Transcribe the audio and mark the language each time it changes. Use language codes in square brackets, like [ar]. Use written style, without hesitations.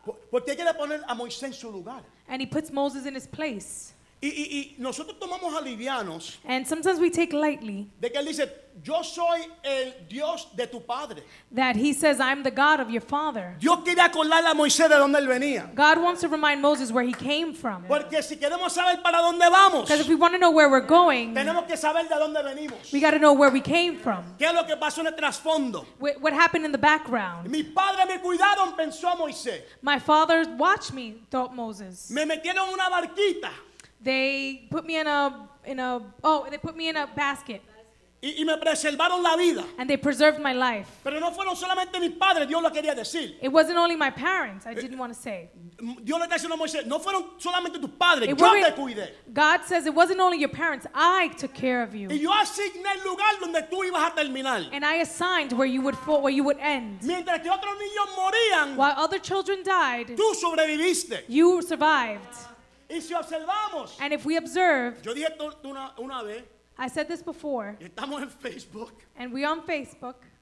[es] Porque quiere poner a Moisés en su lugar. [en] And he puts Moses in his place. [es] Y nosotros tomamos a livianos. [en] And sometimes we take lightly. [es] De que él dice, yo soy el Dios de tu padre. [en] That he says, I'm the God of your father. [es] Dios quiere acordarle a Moisés de dónde él venía. [en] God wants to remind Moses where he came from. [es] Porque si queremos saber para dónde vamos. [en] Because if we want to know where we're going. [es] Tenemos que saber de dónde venimos. [en] We got to know where we came from. [es] ¿Qué es lo que pasó en el trasfondo? [en] What happened in the background? [es] Mi padre me cuidaron, pensó Moisés. [en] My father watched me, thought Moses. [es] Me metieron una barquita. [en] They put me in a basket. [es] Y me preservaron la vida. [en] And they preserved my life. [es] Pero no fueron solamente mis padres, Dios lo quería decir. [en] It wasn't only my parents, I didn't want to say. [es] Dios le está diciendo a Moisés, no fueron solamente tus padres, yo te cuidé. [en] God says it wasn't only your parents, I took care of you. [es] Y yo asigné el lugar donde tú ibas a terminar. [en] And I assigned where you would fall, where you would end. [es] Mientras que otros niños morían, [en] while other children died, [es] tú sobreviviste. [en] You survived. [es] Y si observamos, [en] and if we observe, [es] yo dije una vez, [en] I said this before, [es] y estamos en Facebook, [en] and we're on Facebook.